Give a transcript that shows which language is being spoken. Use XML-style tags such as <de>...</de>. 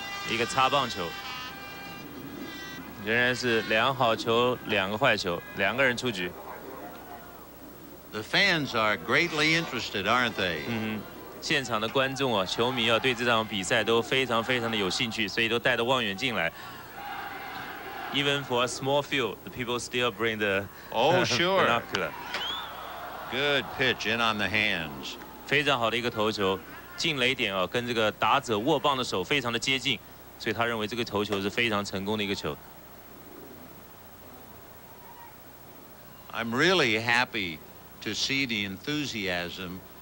<zh>一个擦棒球，仍然是两好球，两个坏球，两个人出局。</zh> <en>The fans are greatly interested, aren't they?</en> <zh>现场的观众啊，球迷啊，对这场比赛都非常非常的有兴趣，所以都带着望远镜来。</zh> <en>Even for a small field, the people still bring the binocular. Good pitch in on the hands.</en> <zh>非常好的一个投球，近垒点啊，跟这个打者握棒的手非常的接近，所以他认为这个投球是非常成功的一个球。</zh> <en>I'm really happy. To see the enthusiasm</en>